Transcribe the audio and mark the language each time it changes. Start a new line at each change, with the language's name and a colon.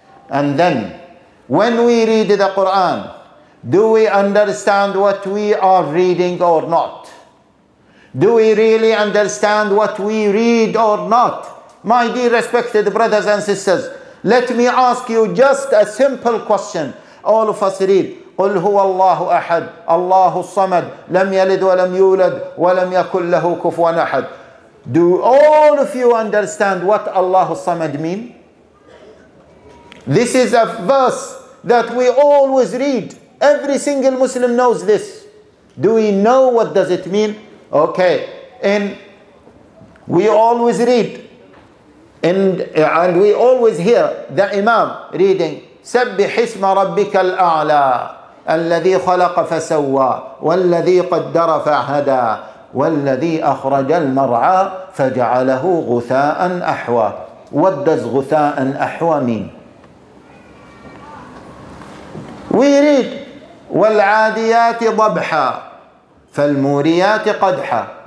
English: And then, when we read the Quran, do we understand what we are reading or not? Do we really understand what we read or not? My dear respected brothers and sisters, let me ask you just a simple question. All of us read,
Arabic: قُلْ هُوَ اللَّهُ أَحَدْ اللَّهُ الصَّمَدْ لَمْ يَلِدْ وَلَمْ يُولَدْ وَلَمْ يَكُلْ لَهُ كُفْوًا أَحَدْ.
English: Do all of you understand what Allah الصَّمَدْ mean? This is a verse that we always read. Every single Muslim knows this. Do we know what does it mean? Okay, and we always read, and we always hear the Imam reading,
Arabic: سبح اسم ربك الأعلى الذي خلق فسوى والذي قدر فهدى والذي أخرج المرعى فجعله غثاء أحوى.
English: What does
Arabic: غثاء أحوى
English: mean? We read,
Arabic: والعاديات ضبحا فالموريات قدحا.